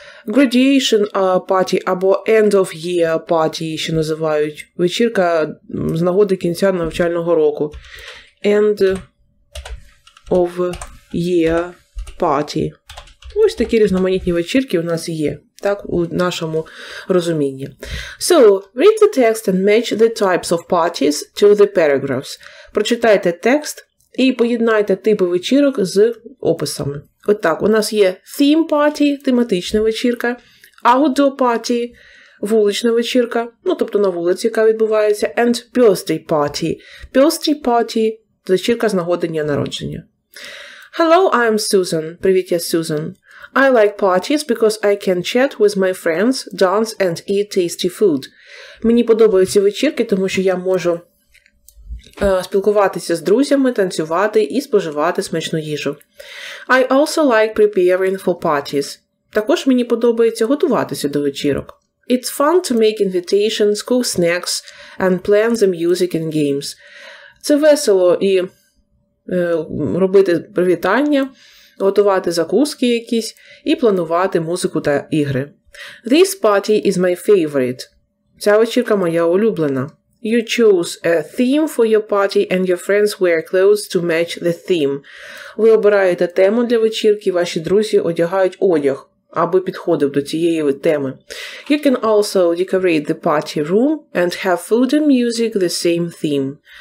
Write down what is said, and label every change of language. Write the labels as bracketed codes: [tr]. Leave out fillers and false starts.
[en] Graduation party [uk] або [en] end of year party [uk] ще називають. Вечірка з нагоди кінця навчального року. [en] End of year party. [uk] Ось такі різноманітні вечірки у нас є, так, у нашому розумінні. [en] So, read the text and match the types of parties to the paragraphs. [uk] Прочитайте текст і поєднайте типи вечірок з описами. От так, у нас є theme party, тематична вечірка, outdoor party, вулична вечірка, ну, тобто на вулиці, яка відбувається, [en] and birthday party. [uk] Birthday party – вечірка з нагоди дня народження. [en] Hello, I'm Susan. [uk] Привіт, я Сюзан. [en] I like parties because I can chat with my friends, dance and eat tasty food. [uk] Мені подобаються вечірки, тому що я можу спілкуватися з друзями, танцювати і споживати смачну їжу. [en] I also like preparing for parties. [uk] Також мені подобається готуватися до вечірок. [en] It's fun to make invitations, cook snacks and plan the music and games. [uk] Це весело і робити привітання, готувати закуски якісь і планувати музику та ігри. [en] This party is my favorite. [uk] Ця вечірка моя улюблена. [en] You chose a theme for your party and your friends wear clothes to match the theme. [uk] Ви обираєте тему для вечірки, ваші друзі одягають одяг, аби підходив до цієї теми. [en] You can also decorate the party room and have food and music the same theme.